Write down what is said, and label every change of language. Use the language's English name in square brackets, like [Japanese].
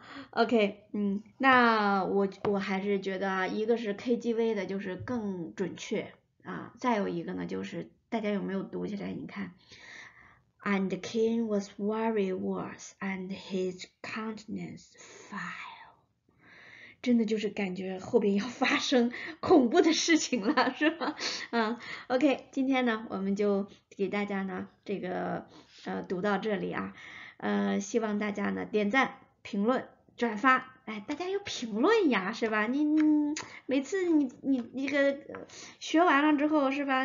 [Chinese] OK， 那我还是觉得啊，一个是 KGV 的，就是更准确啊，再有一个呢，就是大家有没有读起来？你看。 [English] And Cain was very worse, and his countenance fell. [Chinese] 真的就是感觉后边要发生恐怖的事情了，是吧？ OK， 今天呢，我们就给大家呢这个读到这里啊，希望大家呢点赞、评论、转发。哎，大家有评论呀，是吧？你每次你这个学完了之后，是吧？